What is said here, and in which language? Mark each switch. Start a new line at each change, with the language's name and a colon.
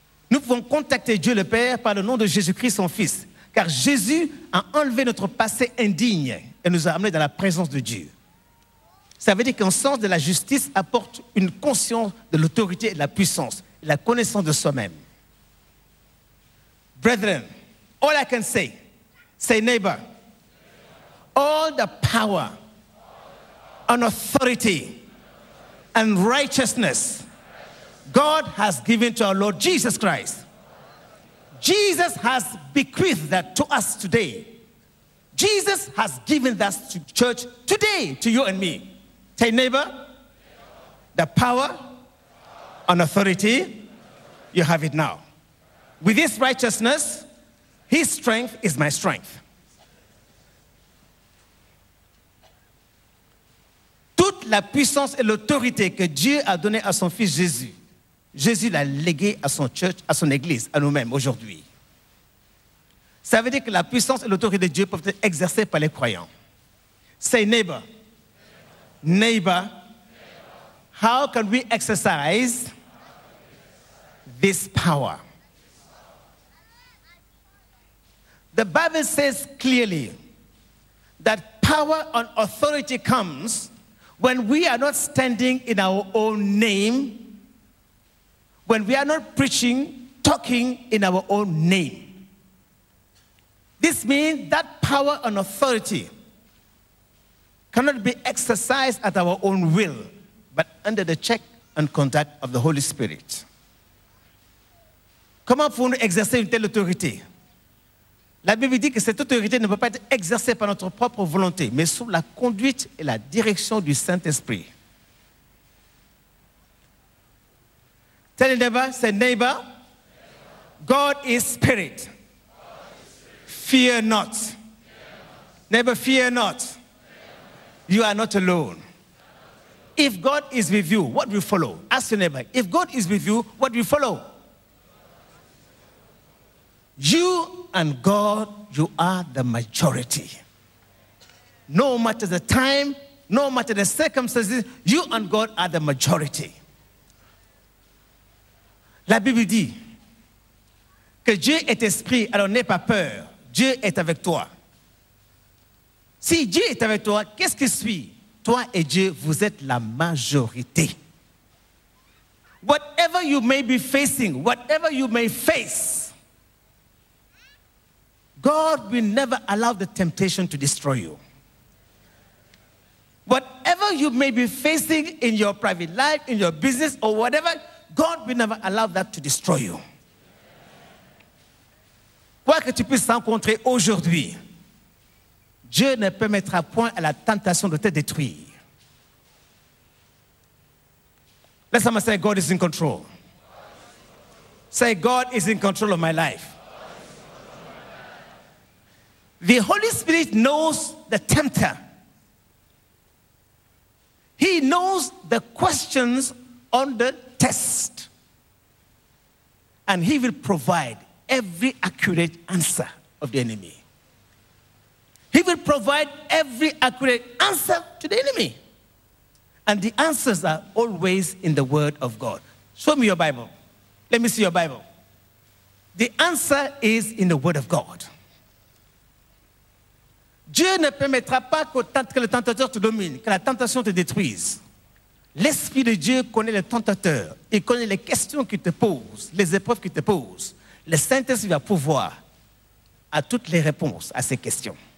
French: Nous pouvons contacter Dieu le Père par le nom de Jésus-Christ, son Fils. Car Jésus a enlevé notre passé indigne et nous a amenés dans la présence de Dieu. Ça veut dire qu'un sens de la justice apporte une conscience de l'autorité et de la puissance, la connaissance de soi-même.
English: Brethren, all I can say, say neighbor, all the power and authority and righteousness God has given to our Lord Jesus Christ. Jesus has bequeathed that to us today. Jesus has given that to church today, to you and me. Tell your neighbor, the power and authority, you have it now. With his righteousness, his strength is my strength.
French: Toute la puissance et l'autorité que Dieu a donné à son fils Jésus, Jésus l'a légué à son church, à son église, à nous-mêmes aujourd'hui. Ça veut dire que la puissance et l'autorité de Dieu peuvent être exercées par les croyants.
English: Say neighbor. Neighbor. How can we exercise this power? The Bible says clearly that power and authority comes when we are not standing in our own name, when we are not preaching, talking in our own name. This means that power and authority cannot be exercised at our own will, but under the check and contact of the Holy Spirit.
French: Comment pouvons-nous exercer une telle autorité? La Bible dit que cette autorité ne peut pas être exercée par notre propre volonté, mais sous la conduite et la direction du Saint-Esprit.
English: Tell your neighbor, say neighbor, God is spirit. Fear not. Neighbor, fear not. You are not alone. If God is with you, what will follow? Ask your neighbor, if God is with you, what will follow? You and God, you are the majority. No matter the time, no matter the circumstances, you and God are the majority.
French: La Bible dit que Dieu est esprit, alors n'aie pas peur. Dieu est avec toi. Si Dieu est avec toi, qu'est-ce qui suit? Toi et Dieu, vous êtes la majorité.
English: Whatever you may be facing, whatever you may face, God will never allow the temptation to destroy you. Whatever you may be facing in your private life, in your business, or whatever, God will never allow that to destroy you.
French: Quoi que tu puisses rencontrer aujourd'hui, Dieu ne permettra point à la tentation de te détruire.
English: Let someone say, God is in control. Say, God is in control of my life. The Holy Spirit knows the tempter. He knows the questions on the test. And he will provide every accurate answer of the enemy. He will provide every accurate answer to the enemy. And the answers are always in the Word of God. Show me your Bible. Let me see your Bible. The answer is in the Word of God.
French: Dieu ne permettra pas que le tentateur te domine, que la tentation te détruise. L'Esprit de Dieu connaît le tentateur. Il connaît les questions qu'il te pose, les épreuves qu'il te pose. Le Saint-Esprit va pouvoir à toutes les réponses à ces questions.